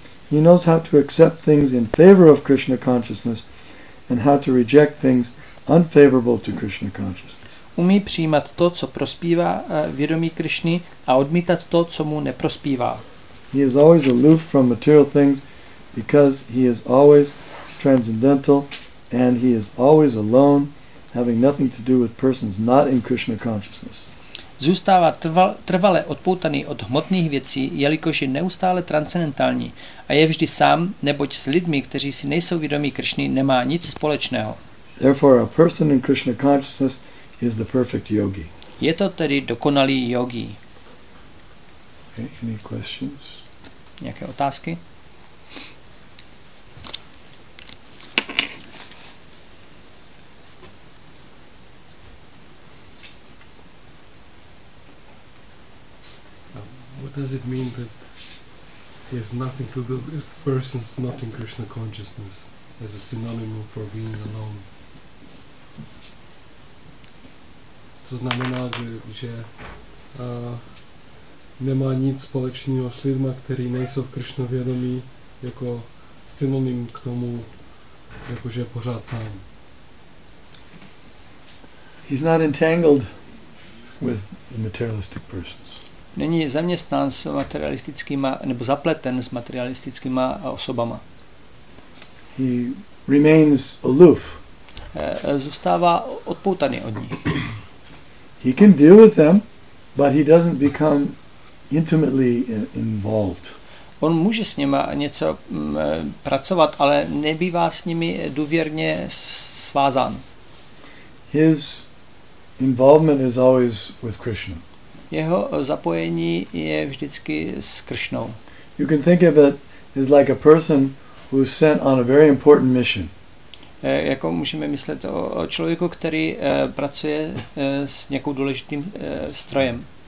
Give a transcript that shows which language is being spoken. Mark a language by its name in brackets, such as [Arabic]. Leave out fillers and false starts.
[English] He knows how to accept things in favor of Krishna consciousness and how to reject things unfavorable to Krishna consciousness. [Czech] Umí přijímat to, co prospívá vědomí Krišny, a odmítat to, co mu neprospívá. [English] He is always aloof from material things because he is always transcendental and he is always alone, having nothing to do with persons not in Krishna consciousness. [Czech] Zůstává trvale odpoutaný od hmotných věcí, jelikož je neustále transcendentální a je vždy sám, neboť s lidmi, kteří si nejsou vědomí Krišny, nemá nic společného. [English] Therefore a person in Krishna consciousness is the perfect yogi. [Czech] Je to tedy dokonalý yogi. [English] Okay, any questions? [Czech] Nějaké otázky? [English] What does it mean that he has nothing to do with persons not in Krishna consciousness as a synonym for being alone? [Czech] To znamená, že nemá nic společného s lidmi, kteří nejsou v Krishna vědomí, jako synonym k tomu, jako že je pořád sám. [English] He's not entangled with the materialistic persons. [Czech] Není zaměstnán s materialistickýma, nebo zapleten s materialistickýma osobama. [English] He remains aloof. [Czech] Zůstává odpoutaný od nich. [English] He can deal with them, but he doesn't become intimately involved. [Czech] On může s nimi něco pracovat, ale nebývá s nimi důvěrně svázán. [English] His involvement is always with Krishna. [Czech] Jeho zapojení je vždycky s Krishnou. [English] You can think of it as like a person who's sent on a very important mission. [Czech] Jako můžeme myslet o člověku, který pracuje s nějakou důležitým strojem.